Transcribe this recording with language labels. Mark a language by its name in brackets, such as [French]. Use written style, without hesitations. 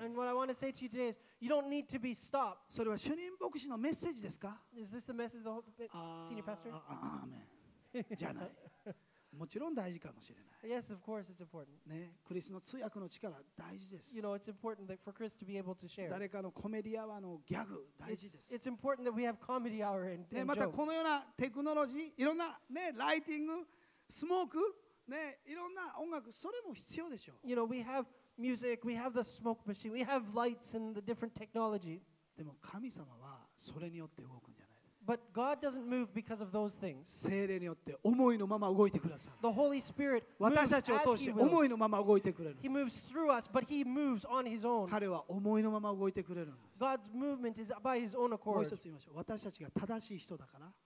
[English] And what I want to say to you today is, you don't need to be stopped. [Japanese] それは主任牧師のメッセージですか？ [English] Is this the message of the senior pastor? [Japanese] Amen. じゃない。もちろん大事かもしれない。 [English] Yes, of course, it's important. [Japanese] ね、クリスの通訳の力大事です。 [English] You know, it's important that for Chris to be able to share. [Japanese] 誰かのコメディアワーのギャグ大事です。 [English] It's important that we have comedy hour and jokes. [Japanese] ね、またこのようなテクノロジー、いろんなね、ライティング、スモーク、ね、いろんな音楽、それも必要でしょう。 [English] You know, we have music, we have the smoke machine, we have lights and the different technology. [Japanese] でも神様はそれによって動くんじゃない。 [English] But God doesn't move because of those things. [Japanese] 聖霊によって思いのまま動いてください。 [English] The Holy Spirit moves as He wills. [Japanese] 私たちを通して思いのまま動いてくれる。 [English] He moves through us, but He moves on His own. [Japanese] 彼は思いのまま動いてくれるんです。 [English] God's movement is by His own accord. [Japanese] もう一つ言いましょう。私たちが正しい人だから。